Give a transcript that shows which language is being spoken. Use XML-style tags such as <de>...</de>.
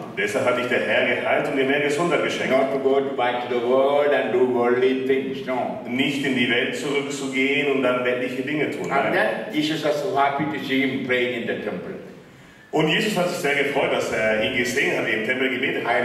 <de>Deshalb hat dich der Herr geheilt und dir mehr Gesundheit geschenkt.</de> <en>Not to go back to the world and do worldly things, no.</en> <de>Nicht in die Welt zurückzugehen und dann weltliche Dinge tun.</de> <en>And then Jesus was so happy to see him praying in the temple.</en> <de>Und Jesus hat sich sehr gefreut, dass er ihn gesehen hat, im Tempel gebetet hat.</de>